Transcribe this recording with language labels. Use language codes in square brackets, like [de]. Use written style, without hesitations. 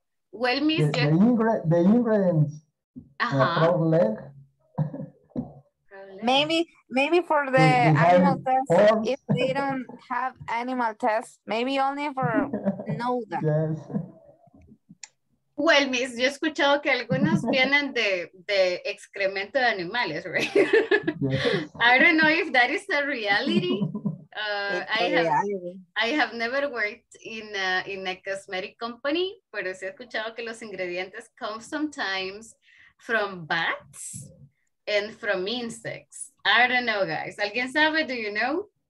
[en] Well, Miss... The ingredients. Uh-huh. Maybe for the animal test, horse. If they don't have animal tests, maybe only for know that. Yes. [es] Well, Miss, yo he escuchado que algunos vienen de excremento de animales, right? [en] Yes. I don't know if that is the reality. I have never worked in a cosmetic company, pero sí he escuchado que los ingredientes come sometimes from bats and from insects. I don't know, guys. ¿Alguien sabe? Do you know?